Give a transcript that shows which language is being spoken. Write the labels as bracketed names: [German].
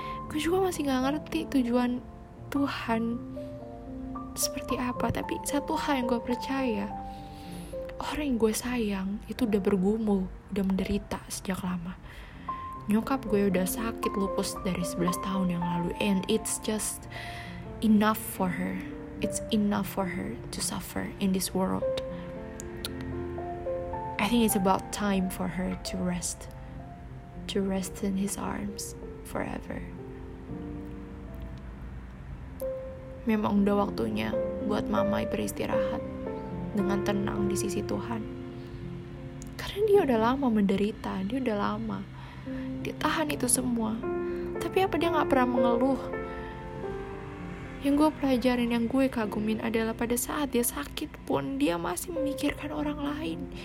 [Indonesian] Gue juga masih gak ngerti tujuan Tuhan seperti apa. Tapi satu hal yang gue percaya, orang yang gue sayang itu udah bergumul, udah menderita sejak lama. Nyokap gue udah sakit lupus dari 11 tahun yang lalu. [English] And it's just enough for her. It's enough for her to suffer in this world. I think it's about time for her to rest. To rest in his arms forever. [Indonesian] Memang udah waktunya buat mama beristirahat dengan tenang di sisi Tuhan. Karena dia udah lama menderita, dia udah lama. Dia tahan itu semua. Tapi apa dia gak pernah mengeluh? Yang gue pelajarin, yang gue kagumin adalah pada saat dia sakit pun, dia masih memikirkan orang lain.